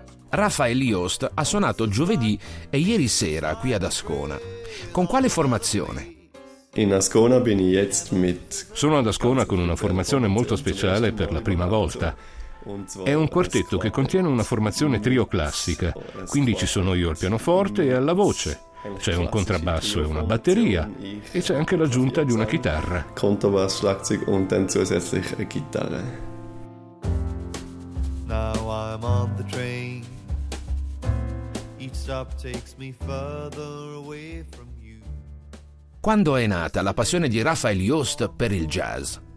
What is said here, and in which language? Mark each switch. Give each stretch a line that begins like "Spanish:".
Italian: Rafael Yost ha suonato giovedì e ieri sera qui ad Ascona. Con quale formazione?
German: In Ascona bin ich jetzt mit.
Italian: Sono ad Ascona con una formazione molto speciale per la prima volta. È un quartetto che contiene una formazione trio classica, quindi ci sono io al pianoforte e alla voce. C'è un contrabbasso e una batteria e c'è anche l'aggiunta di una chitarra.
German: Contrabbasso, Schlagzeug und dann zusätzlich eine Gitarre.
English: Now I'm on the train. Each stop takes me further away from you.
Italian: Quando è nata la passione di Rafael Yost per il jazz?